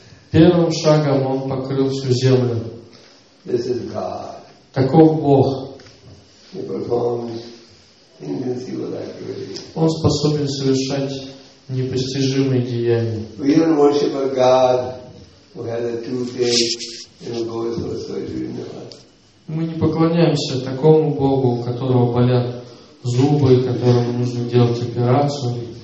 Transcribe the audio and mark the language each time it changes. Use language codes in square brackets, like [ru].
[ru] Первым шагом он покрыл всю землю. [en] This is God. [ru] Таков Бог. [en] He performs invincible activity. [ru] Он способен совершать непостижимые деяния. [en] We even worship a God who had a toothache and goes for surgery in the heart. [ru] Мы не поклоняемся такому Богу, у которого болят зубы, которому нужно делать операцию.